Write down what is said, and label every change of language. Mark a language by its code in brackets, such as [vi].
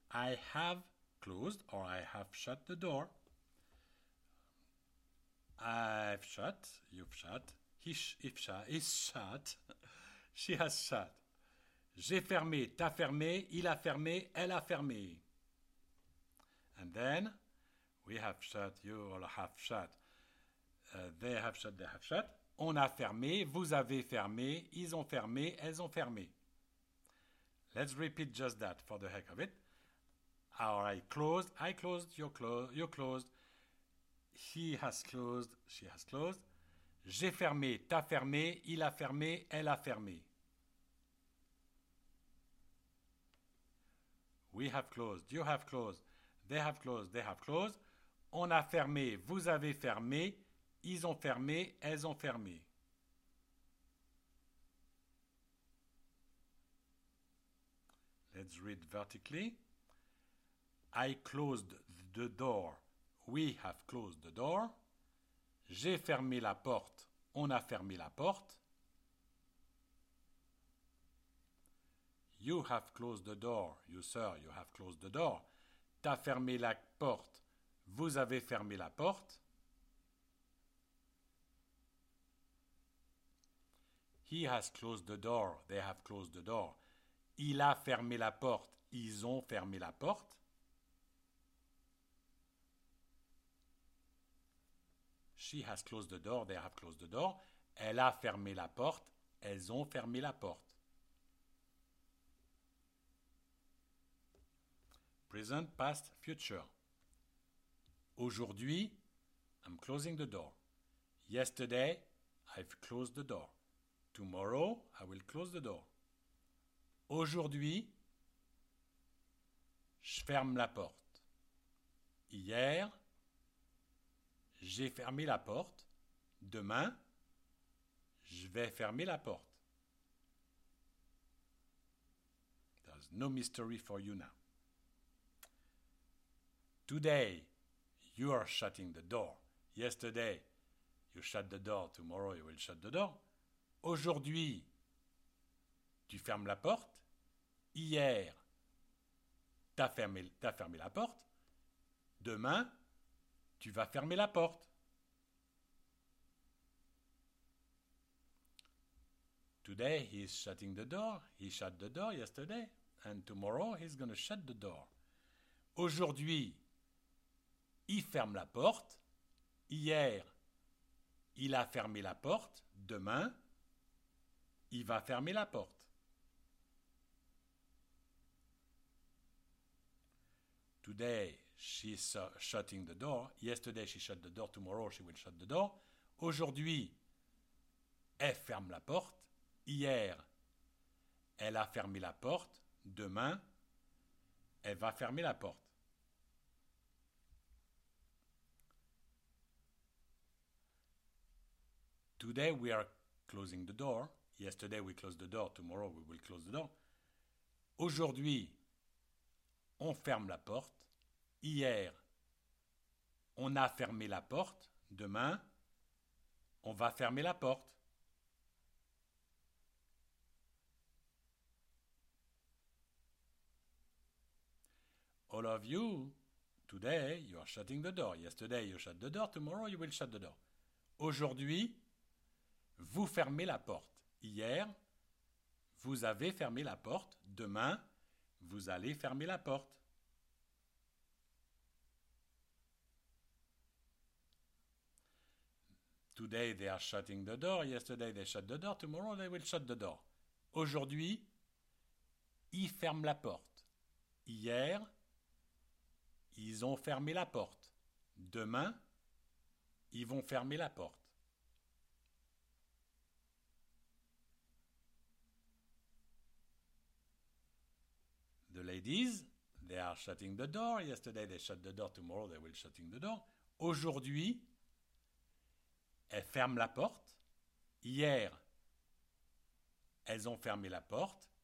[en] I have closed or I have shut the door. I've shut, you've shut, he's shut, she has shut. [fr] J'ai fermé, t'as fermé, il a fermé, elle a fermé. [en] And then, we have shut, you all have shut, they have shut, they have shut. [fr] On a fermé, vous avez fermé, ils ont fermé, elles ont fermé. [en] Let's repeat just that for the heck of it. Our eye closed, I closed, you closed. He has closed, she has closed. [fr] J'ai fermé, t'as fermé, il a fermé, elle a fermé. [en] We have closed, you have closed. They have closed, they have closed. [fr] On a fermé, vous avez fermé. Ils ont fermé, elles ont fermé. [en] Let's read vertically. I closed the door. We have closed the door. [fr] J'ai fermé la porte. On a fermé la porte. [en] You have closed the door. You, sir, you have closed the door. [fr] T'as fermé la porte. Vous avez fermé la porte. [en] He has closed the door. They have closed the door. [fr] Il a fermé la porte. Ils ont fermé la porte. [en] She has closed the door, they have closed the door. [fr] Elle a fermé la porte, elles ont fermé la porte. [en] Present, past, future. Aujourd'hui, I'm closing the door. Yesterday, I've closed the door. Tomorrow, I will close the door. [fr] Aujourd'hui, je ferme la porte. Hier, j'ai fermé la porte. Demain, je vais fermer la porte. [en] There's no mystery for you now. Today, you are shutting the door. Yesterday, you shut the door. Tomorrow, you will shut the door. [fr] Aujourd'hui, tu fermes la porte. Hier, t'as fermé la porte. Demain, tu vas fermer la porte. [en] Today he is shutting the door. He shut the door yesterday. And tomorrow he's going to shut the door. [fr] Aujourd'hui, il ferme la porte. Hier, il a fermé la porte. Demain, il va fermer la porte. [en] Today she's shutting the door. Yesterday she shut the door. Tomorrow she will shut the door. [fr] Aujourd'hui, elle ferme la porte. Hier, elle a fermé la porte. Demain, elle va fermer la porte. [en] Today we are closing the door. Yesterday we closed the door. Tomorrow we will close the door. [fr] Aujourd'hui, on ferme la porte. Hier, on a fermé la porte. Demain, on va fermer la porte. [en] All of you, today, you are shutting the door. Yesterday, you shut the door. Tomorrow, you will shut the door. [fr] Aujourd'hui, vous fermez la porte. Hier, vous avez fermé la porte. Demain, vous allez fermer la porte. [en] Today, they are shutting the door. Yesterday, they shut the door. Tomorrow, they will shut the door. [fr] Aujourd'hui, ils ferment la porte. Hier, ils ont fermé la porte. Demain, ils vont fermer la porte. [en] The ladies, they are shutting the door. Yesterday, they shut the door. Tomorrow, they will shut the door. [fr] Aujourd'hui, elles ferment la porte. Hier, elles ont fermé la porte.